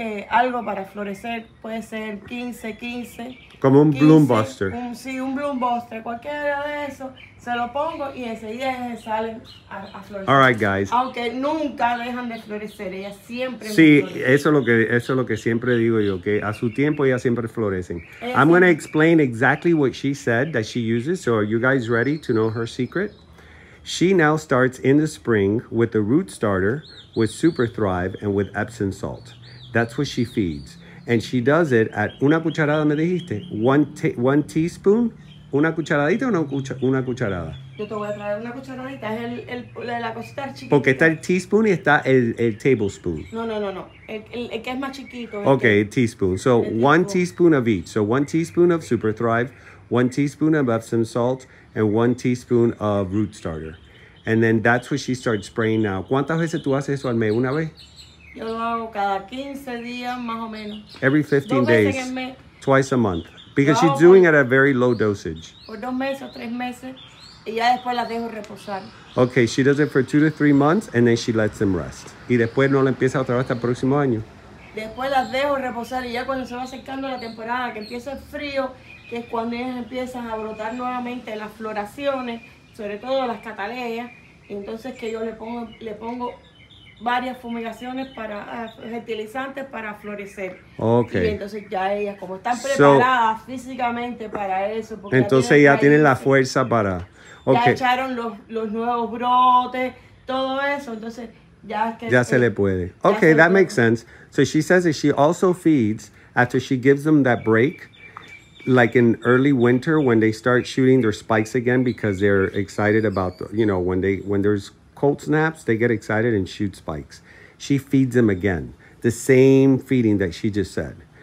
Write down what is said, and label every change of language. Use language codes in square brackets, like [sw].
[es] algo para florecer, puede ser 15-15. Como un 15, bloom buster. Un bloom buster, cualquiera de eso, se lo pongo y enseguida salen a florecer. [en] All right, guys. [es] Aunque nunca dejan de florecer, ellas siempre. Sí, eso es lo que siempre digo yo, que a su tiempo ellas siempre florecen. [en] I'm going to explain exactly what she said that she uses. So, are you guys ready to know her secret? She now starts in the spring with the root starter, with Super Thrive, and with Epsom salt. That's what she feeds. And she does it at [es] una cucharada, me dijiste? [en] One teaspoon? [es] Una cucharadita o no una cucharada? Yo te voy a traer una cucharadita. Es la cosita chiquita. Porque está el teaspoon y está el tablespoon. No. El que es más chiquito. [en] Teaspoon. So one teaspoon of each. So one teaspoon of Super Thrive, one teaspoon of Epsom salt, and one teaspoon of root starter. And then that's what she starts spraying now. [es] ¿Cuántas veces tú haces eso al mes? ¿Una vez? Yo lo hago cada 15 días, más o menos. [en] Every 15 days, twice a month. Because she's doing it at a very low dosage. [es] Por 2 meses, 3 meses, y ya después las dejo reposar. [en] Okay, she does it for 2 to 3 months, and then she lets them rest. [es] Y después no la empieza otra vez hasta el próximo año. Después las dejo reposar, y ya cuando se va acercando la temporada, que empieza el frío, que es cuando ellas empiezan a brotar nuevamente las floraciones, sobre todo las cataleas, y entonces que yo le pongo varias fumigaciones para fertilizantes para florecer. [en] Okay. [es] Y entonces ya ellas, como están preparadas físicamente para eso, porque entonces ya tienen la fuerza para... Okay. Ya echaron los nuevos brotes, todo eso, entonces ya es que... Ya se le puede. [en] Okay, that makes sense. So she says that she also feeds after she gives them that break. like in early winter when they start shooting their spikes again because they're excited about, you know, when there's cold snaps, they get excited and shoot spikes. She feeds them again, the same feeding that she just said.